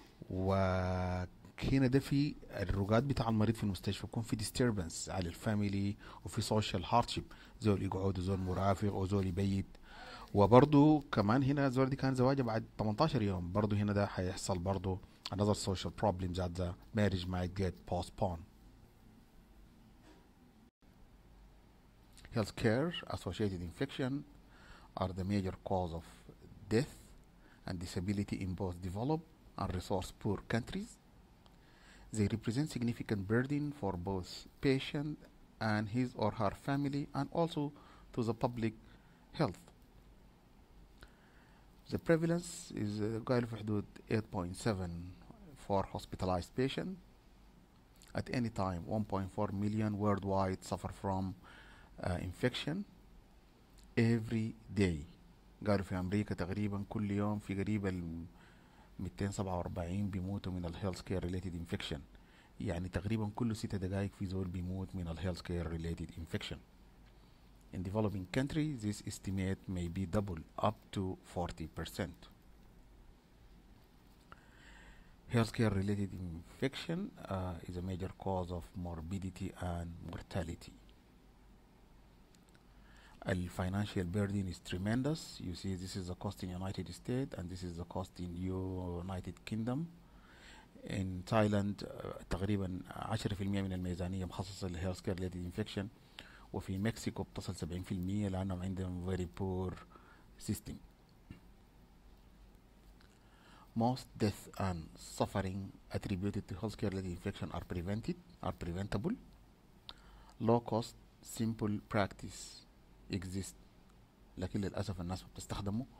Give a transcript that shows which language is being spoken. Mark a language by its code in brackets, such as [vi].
[ar] وهنا ده في الرقاد بتاع المريض في المستشفى يكون في disturbance على الفاميلي وفي [en] social hardship, [ar] زول يقعد وزول مرافق وزول يبيت. وبرضو كمان هنا زول دي كان زواجه بعد 18 يوم, برضو هنا ده حيحصل برضو [en] another social problem that the marriage might get postponed. Healthcare associated infection are the major cause of death and disability in both developed and resource poor countries. They represent significant burden for both patient and his or her family and also to the public health. The prevalence is 8.7 for hospitalized patients. At any time, 1.4 million worldwide suffer from infection every day. [ar] قالوا في أمريكا تقريبا كل يوم في قريب 247 بيموتوا من ال healthcare related infection. يعني تقريبا كل 6 دقائق في زول بيموت من ال healthcare related infection. [en] In developing countries, this estimate may be double, up to 40%. Healthcare related infection is a major cause of morbidity and mortality. The financial burden is tremendous. You see, this is the cost in United States and this is the cost in United Kingdom. In Thailand, [ar] تقريبا 10% من الميزانية مخصصة لل healthcare related infection. وفي مكسيكو بتصل 70% لأنهم عندهم [en] very poor system. Most death and suffering attributed to healthcare related infection are preventable. Low cost, simple practice exist, [ar] لكن للأسف الناس ما بتستخدمه.